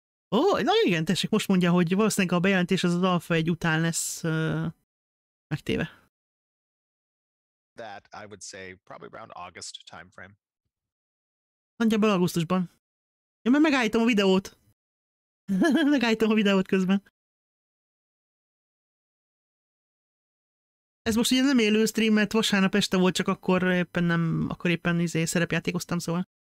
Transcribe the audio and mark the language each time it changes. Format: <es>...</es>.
<hu>Ó, na igen, tessék, most mondja, hogy valószínűleg a bejelentés az Alpha 1 után lesz megtéve.</hu> <en>That I would say probably around August time frame.</en> <hu>Nagyjából augusztusban. Ja, mert megállítom a videót. Megállítom a videót közben. Ez most ugye nem élő stream, mert vasárnap este volt, csak akkor éppen nem, akkor éppen izé szerepjátékoztam, szóval.</hu>